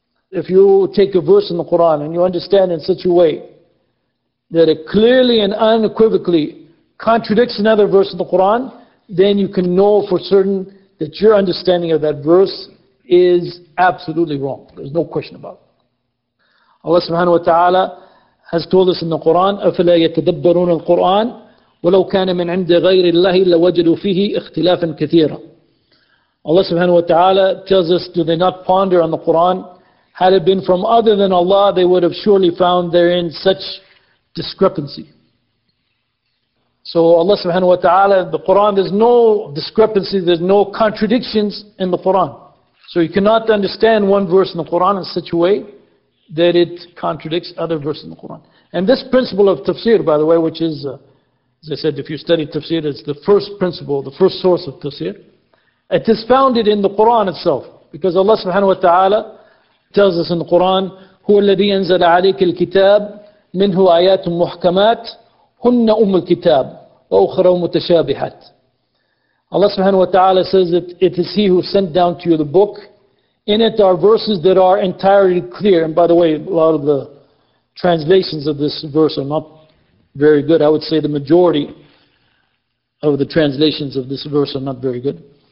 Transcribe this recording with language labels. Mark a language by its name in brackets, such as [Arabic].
[English] If you take a verse in the Quran and you understand in such a way that it clearly and unequivocally contradicts another verse of the Quran, then you can know for certain that your understanding of that verse is absolutely wrong. There's no question about it. [Arabic] Allah subhanahu wa ta'ala has told us in the Quran, أَفَلَا يَتَدَبَّرُونَ الْقُرْآنَ وَلَوْ كَانَ مِنْ عِنْدِ غَيْرِ اللَّهِ لَوَجَدُوا فِيهِ اِخْتِلَافًا كَثِيرًا. [English] Allah subhanahu wa ta'ala tells us, do they not ponder on the Quran? Had it been from other than Allah, they would have surely found therein such discrepancy. So Allah subhanahu wa ta'ala, the Quran, there's no discrepancy, there's no contradictions in the Quran. So you cannot understand one verse in the Quran in such a way that it contradicts other verses in the Quran. And this principle of tafsir, by the way, which is, as I said, if you study tafsir, it's the first principle, the first source of tafsir. It is founded in the Quran itself. [Arabic] Because Allah subhanahu wa ta'ala tells us in the Quran, هُوَ الَّذِي أَنزَلَ عَلَيْكَ الْكِتَابِ مِنْهُ آيَاتٌ مُحْكَمَاتٌ هُنَّ أُمُّ الْكِتَابِ وَأُخْرَ مُتَشَابِحَاتٌ. [English] Allah subhanahu wa ta'ala says that it is He who sent down to you the book. In it are verses that are entirely clear. And by the way, a lot of the translations of this verse are not very good. I would say the majority of the translations of this verse are not very good.